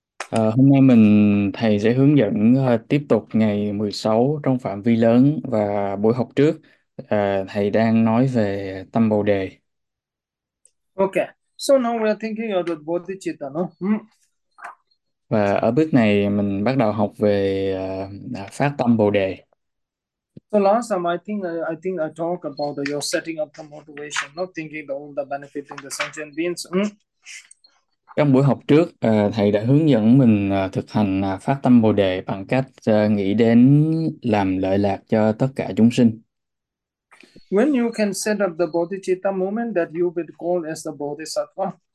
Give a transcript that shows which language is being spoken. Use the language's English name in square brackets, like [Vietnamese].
[Vietnamese] Hôm nay mình thầy sẽ hướng dẫn tiếp tục ngày 16 trong phạm vi lớn, và buổi học trước thầy đang nói về tâm Bồ đề. [English] Okay. So now we are thinking about bodhicitta, no? [Vietnamese] Và ở bước này mình bắt đầu học về phát tâm Bồ đề. [English] So last time I think I talk about your setting up the motivation, not thinking about all the benefit in the sentient beings. [Vietnamese] Trong buổi học trước, thầy đã hướng dẫn mình thực hành phát tâm Bồ đề bằng cách nghĩ đến làm lợi lạc cho tất cả chúng sinh. [English] When you can set up the Bodhicitta movement that you will call as the Bodhisattva.